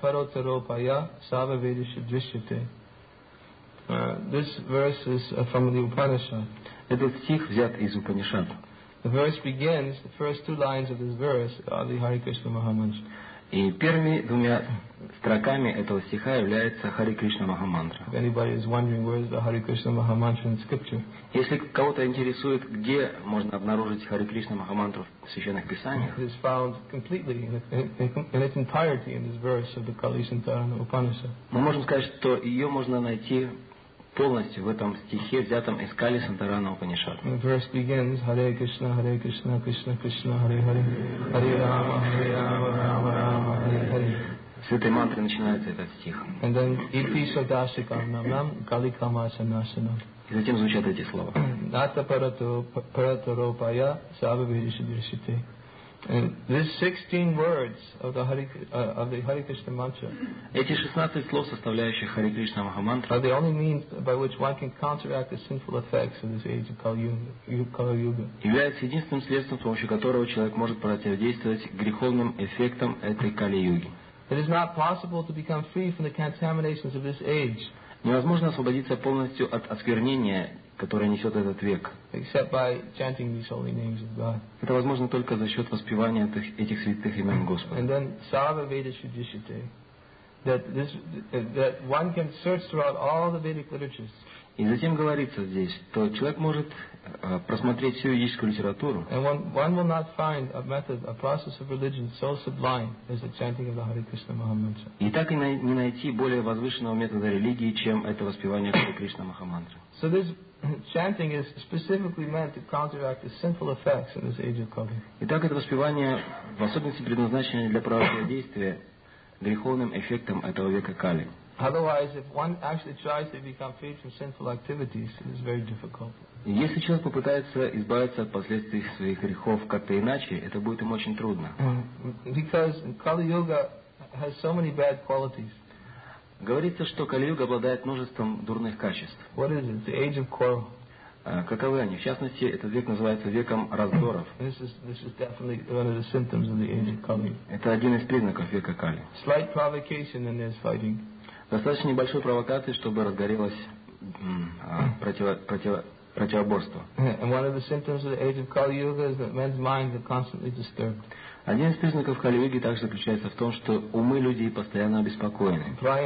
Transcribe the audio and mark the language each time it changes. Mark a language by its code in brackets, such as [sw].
[en] This verse is from the Upanishad. [ru] Этот стих взят из Упанишад. [en] The verse begins, the first two lines of this verse are the Hare Krishna Maha Mantra. [ru] И первыми двумя строками этого стиха является Hare Krishna Maha Mantra. [en] If anybody is wondering where is the Hare Krishna Maha Mantra in scripture. [ru] Если кого-то интересует, где можно обнаружить Hare Krishna Maha Mantra в священных писаниях, [en] it is found completely in its entirety in this verse of the Kali Santarana Upanishad. [ru] Мы можем сказать, что ее можно найти полностью в этом стихе, взятом из Кали Сантарана Упанишад. [en] Verse begins, Hare Krishna, Hare Krishna, Krishna Krishna, Hare Hare, Hare Rama, Hare Rama, Rama Rama, Hare Hare. [ru] С этой мантры начинается этот стих. [en] And then, [sa] Ipi Sadashikam Namnam, Kali Kamasa Nasanam. [ru] И затем звучат эти слова. [sa] Nata Paratoropaya, Sabha Vedisha Dirshite. [en] And these 16 words of the Hare Krishna mantra. [ru] Эти 16 слов, составляющих Hare Krishna Maha Mantra, [en] are the only means by which one can counteract the sinful effects of this age of Kali Yuga. [ru] Является единственным средством, с помощью которого человек может противодействовать греховным эффектам этой Кали Юги. [en] It is not possible to become free from the contaminations of this age. [ru] Невозможно освободиться полностью от осквернения, которое несет этот век. [en] Except by chanting these holy names of God. [ru] Это возможно только за счет воспевания этих святых имен Господа. [en] And then [sa] Sava Veda Shuddhishite, [en] that one can search throughout all the Vedic literatures. [ru] И затем говорится здесь, что человек может просмотреть всю ведическую литературу. [en] And one will not find a method, a process of religion so sublime as the chanting of the Hare Krishna Maha Mantra. [ru] И так и не найти более возвышенного метода религии, чем это воспевание Hare Krishna Maha Mantra. [en] So this chanting is specifically meant to counteract the sinful effects in this age of Kali. [ru] Итак, это воспевание в особенности предназначено для противодействия греховным эффектам этого века Кали. [en] Otherwise, if one actually tries to become free from sinful activities, it is very difficult. [ru] Если человек попытается избавиться от последствий своих грехов как-то иначе, это будет им очень трудно. [en] Because Kali Yuga has so many bad qualities. [ru] Говорится, что Кали-юга обладает множеством дурных качеств. [en] What is it? The age of quarrel. [ru] Каковы они? В частности, этот век называется веком раздоров. [en] This is definitely one of the symptoms of the age of Kali. [ru] Это один из признаков века Кали. [en] Slight provocation and there's fighting. [ru] Достаточно небольшой провокации, чтобы разгорелось противоборство. [en] And one of the symptoms of the age of Kali-yuga is that men's minds are constantly disturbed. [ru] Один из признаков Кали-юги также заключается в том, что умы людей постоянно обеспокоены.